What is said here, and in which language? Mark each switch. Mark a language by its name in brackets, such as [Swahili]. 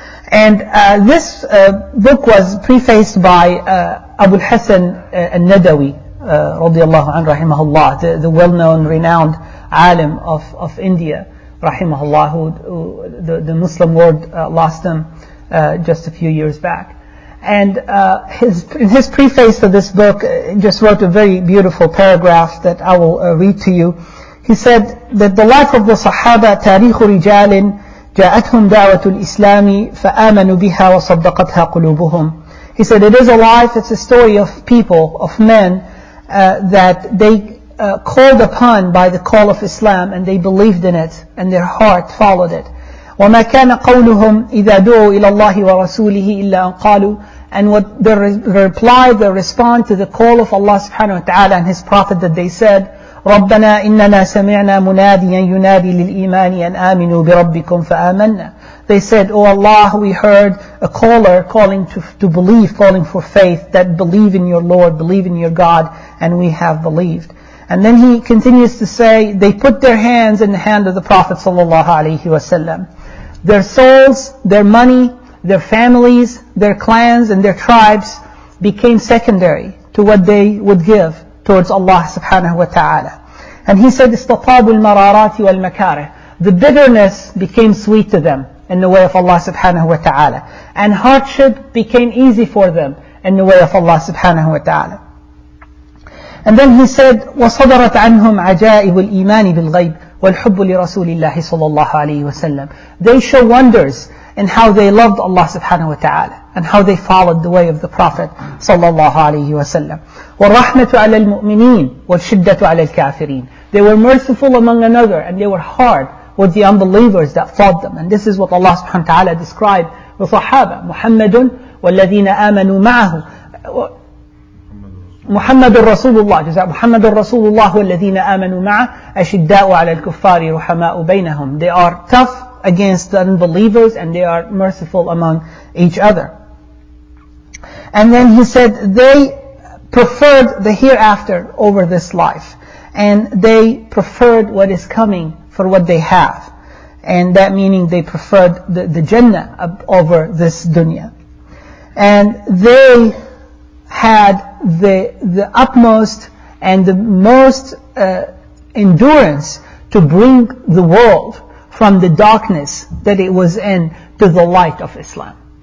[English] And this book was prefaced by Abu al-Hasan al-Nadawi, radiyallahu anhu, rahimahullah, the well-known, renowned alim of India, rahimahullah, who the Muslim world lost him just a few years back. And in his preface to this book, just wrote a very beautiful paragraph that I will read to you. He said that the life of the Sahaba, [Arabic] تاريخ رجال جاءتهم دعوة الإسلام فآمنوا بها وصدقتها قلوبهم. [English] He said it is a life, it's a story of people, of men, that they called upon by the call of Islam and they believed in it and their heart followed it. [Arabic] وما كان قولهم إذا دعوا إلى الله ورسوله إلا أن قالوا. [English] And what their reply, their response to the call of Allah subhanahu wa ta'ala and His Prophet, that they said, [Arabic] ربنا إننا سمعنا مناديا ينادي للإيمان أن آمنوا بربكم فآمنا. [English] They said, O Allah, we heard a caller calling to believe, calling for faith, that believe in your Lord, believe in your God, and we have believed. And then he continues to say, they put their hands in the hand of the Prophet sallallahu alaihi wasallam. Their souls, their money, their families, their clans, and their tribes became secondary to what they would give towards Allah subhanahu wa ta'ala. And he said, [Arabic] استطابوا المرارات والمكاره. [English] The bitterness became sweet to them in the way of Allah subhanahu wa ta'ala. And hardship became easy for them in the way of Allah subhanahu wa ta'ala. And then he said, [Arabic] وَصَدَرَتْ عَنْهُمْ عَجَائِبُ الْإِيمَانِ بِالْغَيْبِ وَالْحُبُّ لِرَسُولِ اللَّهِ صَلَى اللَّهُ عَلَيْهِ وَسَلَّمْ. [English] They show wonders in how they loved Allah subhanahu wa ta'ala and how they followed the way of the Prophet صلى الله عليه وسلم. [Arabic] وَالرَّحْمَةُ عَلَى الْمُؤْمِنِينَ وَالشِدَّةُ عَلَى الْكَافِرِينَ. [English] They were merciful among another and they were hard with the unbelievers that fought them. And this is what Allah subhanahu wa ta'ala described the Sahaba, [Arabic] مُحَمَّدٌ وَالَّذِينَ آمَنُوا مَعَهُ محمد الرسول الله جزاء محمد الرسول الله والذين آمنوا معه أشداء على الكفار رحماء بينهم. [English] They are tough against the unbelievers and they are merciful among each other. And then he said they preferred the hereafter over this life and they preferred what is coming for what they have, and that meaning they preferred the Jannah over this dunya, and they had the utmost and the most endurance to bring the world from the darkness that it was in to the light of Islam.